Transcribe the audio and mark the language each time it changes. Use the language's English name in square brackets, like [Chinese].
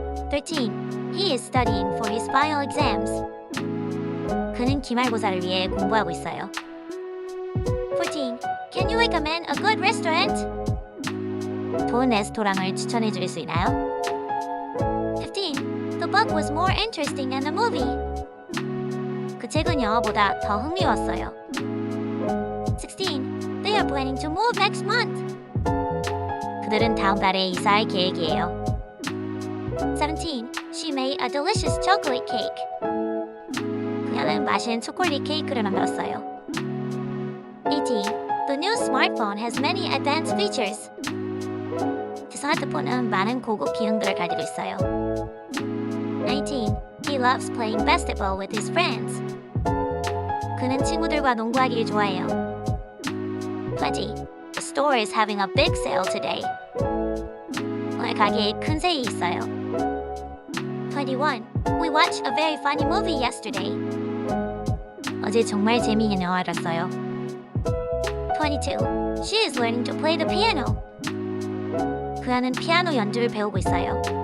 [English] 13. He is studying for his final exams. [Korean] 그는 기말고사를 위해 공부하고 있어요. [English] 14. Can you recommend a good restaurant? [Korean] 좋은 레스토랑을 추천해 줄 수 있나요? [English] 15. The book was more interesting than the movie. [Korean] 그 책은 영화보다 더 흥미로웠어요. [English] 16. They are planning to move next month. [Korean] 그들은 다음 달에 이사할 계획이에요. [English] 17. She made a delicious chocolate cake. [Korean] 그녀는 맛있는 초콜릿 케이크를 만들었어요. [English] 18. The new smartphone has many advanced features. [Korean] 제 스마트폰은 많은 고급 기능들을 가지고 있어요. [English] 19. He loves playing basketball with his friends. [Korean] 그는 친구들과 농구하기를 좋아해요. [English] 20. The store is having a big sale today. [Korean] 오늘 가게에 큰 세일이 있어요. [English] 21. We watched a very funny movie yesterday. [Korean] 어제 정말 재미있는 영화를 봤어요. [English] 22. She is learning to play the piano. [Korean] 그녀는 피아노 연주를 배우고 있어요.